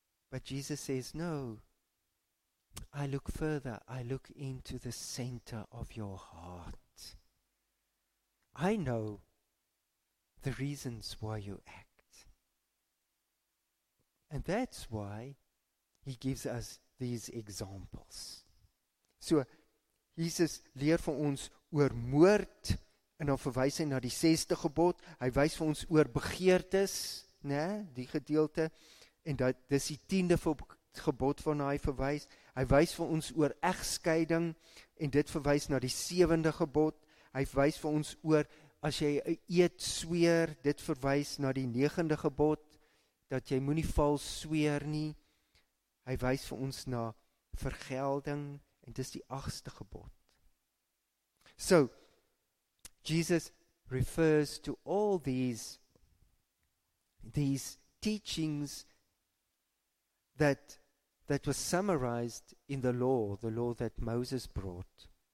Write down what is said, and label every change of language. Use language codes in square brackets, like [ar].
[en] But Jesus says, no. I look further. I look into the center of your heart. I know the reasons why you act. And that's why he gives us these examples. [af] So, Jesus leer vir ons oor moord, en dan verwys hy na die 6de gebod. Hy wys vir ons oor begeertes, né, die gedeelte, en dat dis die 10de gebod van hy verwys. Hy wys vir ons oor egskeiding en dit verwys na die 7de gebod. Hy wys vir ons oor as jy 'n eed sweer, dit verwys na die 9de gebod dat jy moenie vals sweer nie. Hy wys vir ons na vergelding en dis die 8de gebod. [en] So Jesus refers to all these teachings that was summarized in the law that Moses brought.